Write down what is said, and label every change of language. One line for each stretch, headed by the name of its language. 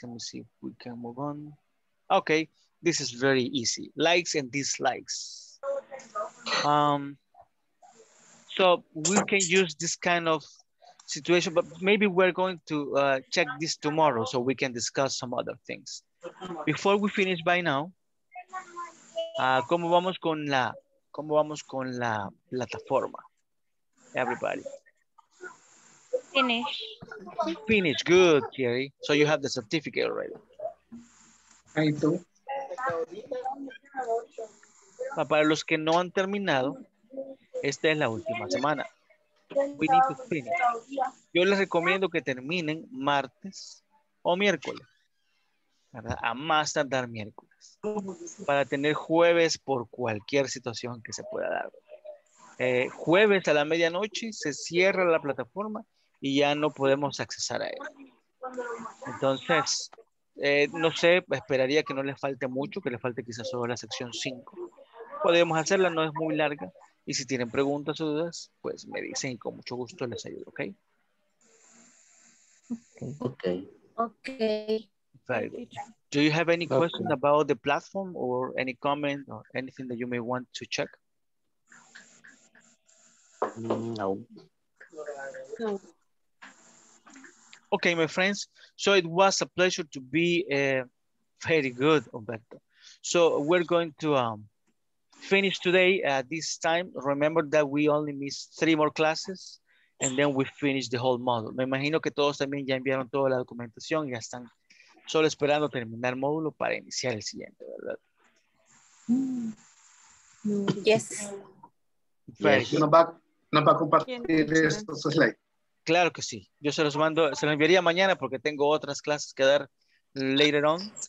English: Let me see if we can move on. Okay, this is very easy. Likes and dislikes. So we can use this kind of situation, but maybe we're going to check this tomorrow so we can discuss some other things. Before we finish by now,
Spanish: ¿cómo vamos con la plataforma?
English: Everybody. Finish. Finish, good, Thierry. So you have the certificate already.
Spanish: Para los que no han terminado, esta es la última semana.
English: We need to finish.
Spanish: Yo les recomiendo que terminen martes o miércoles, ¿verdad? A más tardar miércoles, para tener jueves por cualquier situación que se pueda dar. Jueves a la medianoche se cierra la plataforma y ya no podemos accesar a ella. Entonces, no sé, esperaría que no les falte mucho, que les falte quizás solo la sección 5. Podemos hacerla, no es muy larga, Y si tienen preguntas o dudas, pues me dicen y con mucho gusto les ayudo, ¿ok?
English: Ok. Ok. Very good. Do you have any questions about the platform or any comment or anything that you may want to check? No. No. Okay, my friends. So it was a pleasure to be very good, Humberto. So we're going to finish today at this time. Remember that we only missed 3 more classes and then we finish the whole module.
Spanish: Me imagino que todos también ya enviaron toda la documentación y ya están solo esperando terminar módulo para iniciar el siguiente, ¿verdad?
English: Yes. Yes.
Spanish: No va a compartir estos slides. Claro que sí. Yo se los mando, se los enviaría mañana porque tengo otras clases que dar
English: later on.